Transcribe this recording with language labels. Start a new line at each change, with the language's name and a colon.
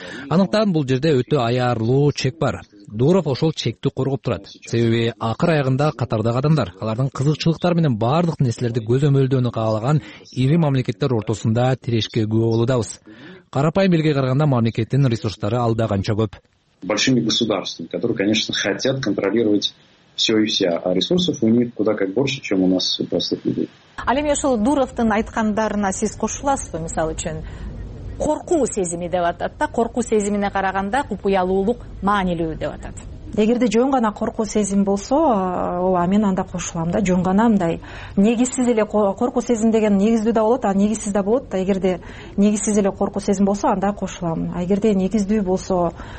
Kyrgyz: Аныктан бул жерде өтө аярлуу чек бар. Дуров ошол чекти коргоп турат. Себеби акыр аягында катардагы адамдар, алардын кызыкчылыктары менен бардык нерселерди көзөмөлдөөнү каалаган ири мамлекеттер ортосунда тирешке күбө болуудабыз. Карапайым элге караганда мамлекеттин ресурстары алда канча көп.
Russian: Большими государствами, которые, конечно, хотят контролировать все и вся, а ресурсов у них куда как больше, чем у нас простых людей.
Kyrgyz: Ал эми ошол Дуровдун айткандарына сиз кошуласызбы, мисалы үчүн? Коркуу сезими деп атат да, коркуу сезимине караганда купуялуулук маанилүү деп атат. Эгерде жөн гана коркуу сезим болсо, ооба, мен анда кошулам да. Жөн гана мындай негизсиз эле коркуу сезим деген негиздүү да болот, а негизсиз да болот да. Эгерде негизсиз эле коркуу сезим болсо, анда кошулам. А эгерде негиздүү болсо,